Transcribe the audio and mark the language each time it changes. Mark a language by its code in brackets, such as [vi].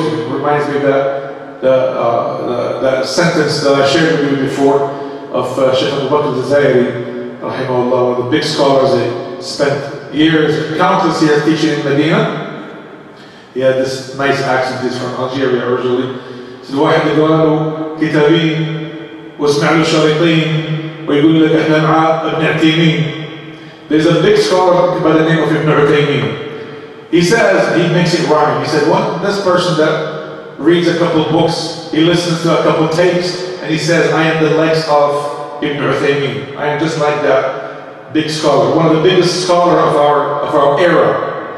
[en] It reminds me of that sentence that I shared with you before of Sheikh Abu Bakr al-Zayri, rahimahullah, one of the big scholars that spent years, countless years teaching in Medina. He had this nice accent, he's from Algeria originally. [ar] So واحد يقول له كتابين واسمع له شريطين ويقول لك احنا مع ابن عثيمين. [en] There's a big scholar by the name of Ibn Uthaymeen. He says, he makes it rhyme. He said, what? This person that reads a couple of books, he listens to a couple of tapes, and he says, I am the likes of Ibn Uthaymeen. I am just like that big scholar. One of the biggest scholars of our era.